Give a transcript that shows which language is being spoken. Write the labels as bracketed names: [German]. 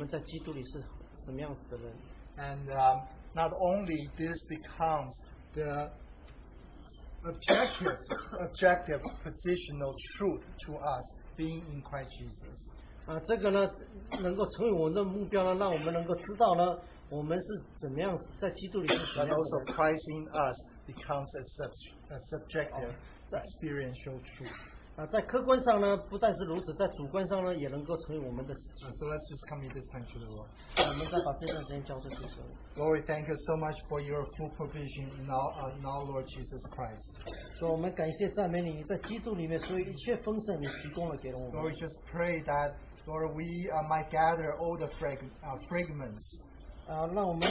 [Chinese] 所以呢，我们的弟兄呢，在鼓励我们，如果我们是全心全意、全力爱主我们的神呢，我们就能够明白我们在基督里是什么样子的人。 [English] And not only this becomes the objective positional truth to us being in Christ Jesus. [Chinese] 这个呢，能够成为我们的目标呢，让我们能够知道呢，我们是怎么样在基督里是怎么样的。 [English] But also Christ in us becomes a subjective experiential truth. [Chinese] 在客观上呢，不但是如此，在主观上呢，也能够成为我们的实际。 [English] So let's just commit this time to the Lord. [Chinese] 我们再把这段时间交出去。 [English] Lord, thank you so much for your full provision in our Lord Jesus Christ. [Chinese] 所以我们感谢赞美你，在基督里面所有一切丰盛，你提供了给了我们。 [English] Lord, just pray that Lord, we might gather all the fragments.